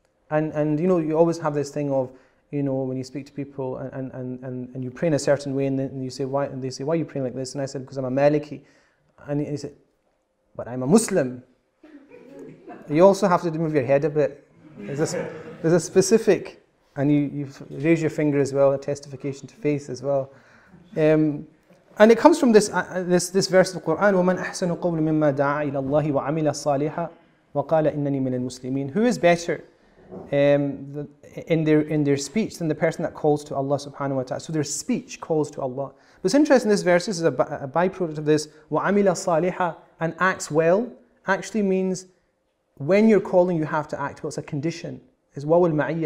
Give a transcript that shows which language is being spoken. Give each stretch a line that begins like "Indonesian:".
English: And you know, you always have this thing of, you know, when you speak to people and you pray in a certain way, and then you say, why, and they say, why are you praying like this? And I said, because I'm a Maliki. And he said, but I'm a Muslim. You also have to move your head a bit. There's a specific, and you raise your finger as well, a testification to faith as well. And it comes from this verse of the Quran,
Arabic: وَمَنْ أَحْسَنُ قَوْلُ مِمَّا دَعَى إِلَى اللَّهِ وَعَمِلَ صَالِحًا وَقَالَ إِنَّنِي مِنَ الْمُسْلِمِينَ.
English: Who is better in their speech than the person that calls to Allah subhanahu wa ta'ala? So their speech calls to Allah. What's interesting, this verse, this is a byproduct of this,
Arabic: وَعَمِلَ صَالِحًا,
English: and acts well, actually means when you're calling, you have to act well. It's a condition. It's wawul ma'iyya.